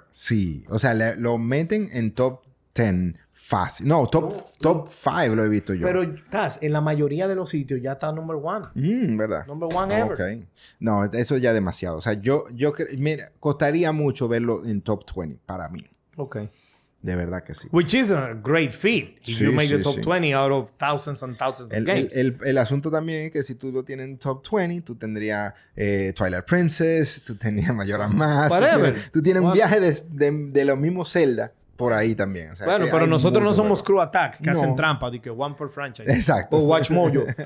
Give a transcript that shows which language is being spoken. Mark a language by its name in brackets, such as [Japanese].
[Spanish] Sí. O sea, lo meten en top 10 fácil. No, top 5 lo he visto yo. Pero, Taz, en la mayoría de los sitios ya está number one. ¿Verdad? [English] Number one ever. Okay. [Spanish] No, eso ya es demasiado. O sea, yo mira, costaría mucho verlo en top 20 para mí. Ok. De verdad que sí. [English] Which is a great feat. Sí, you make the top 20 out of thousands and thousands of games. [Spanish] El asunto también es que si tú lo tienes en top 20, tú tendrías Twilight Princess, tú tendrías Majora's Mask. Tú tienes un viaje de los mismos Zelda por ahí también. O sea, bueno, pero nosotros no somos Crew Attack, que hacen trampa. Dice One Per Franchise. Exacto. O Watch Mojo.